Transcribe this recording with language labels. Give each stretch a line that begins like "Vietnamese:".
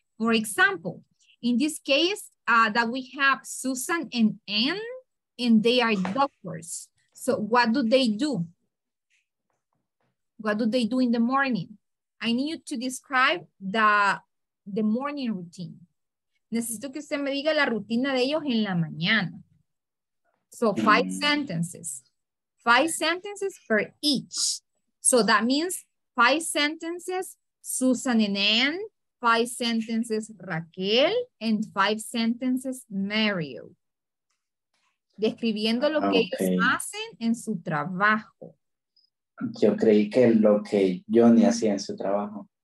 English: For example, in this case that we have Susan and Anne, and they are doctors, So what do they do? What do they do in the morning? I need you to describe the morning routine.
Spanish: Necesito que usted me diga la rutina de ellos en la mañana.
English: So five sentences. Five sentences for each. So that means five sentences, Susan and Ann, five sentences, Raquel, and five sentences, Mario.
Spanish: Describiendo lo que ellos hacen en su trabajo. Yo creí que lo que Johnny hacía en su trabajo.